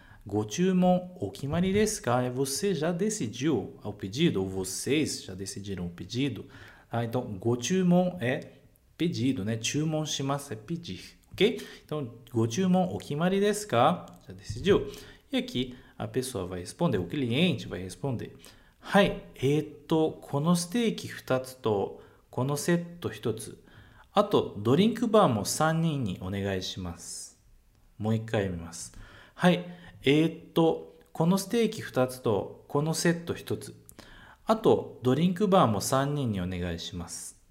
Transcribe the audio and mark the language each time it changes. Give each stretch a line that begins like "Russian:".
Japanese: ご注文お決まりですか？
Portuguese: Você já decidiu ao pedido? Ou vocês já decidiram o pedido? Ah, então, ご注文é pedido, né? 注文します é pedir, ok?
Japanese: Então, ご注文お決まりですか？
Portuguese: Já decidiu? E aqui a pessoa vai responder, o cliente vai responder:
Japanese: はい、このステーキ2つとこのセット1つ。あと、ドリンクバーも3人にお願いします。もう一回見ます。はい。このステーキ2つと、このセット1つ。あと、ドリンクバーも3人にお願いします。